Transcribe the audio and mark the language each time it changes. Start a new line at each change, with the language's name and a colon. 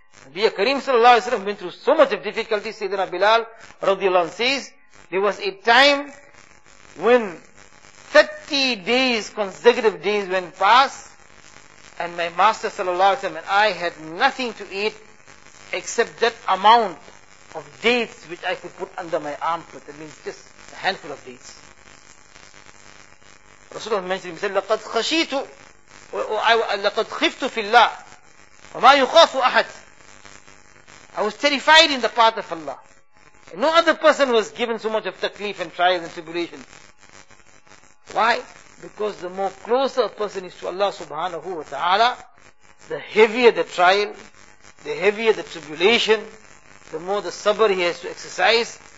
English: Nabi Kareem sallallahu alayhi wa sallam went through so much of difficulty. Sayyidina Bilal radiallahu anhu says, there was a time when 30 days, consecutive days went past, and my master sallallahu alayhi wa sallam and I had nothing to eat except that amount of dates which I could put under my armpit. That means just a handful of dates. Rasulullah mentioned, he said,
Arabic: لَقَدْ خَشِيتُ لَقَدْ خِفْتُ فِي اللَّهِ وَمَا يُخَافُ أَحَدٍ.
English: I was terrified in the path of Allah. No other person was given so much of taklif and trials and tribulation. Why? Because the more closer a person is to Allah subhanahu wa ta'ala, the heavier the trial, the heavier the tribulation, the more the sabr he has to exercise,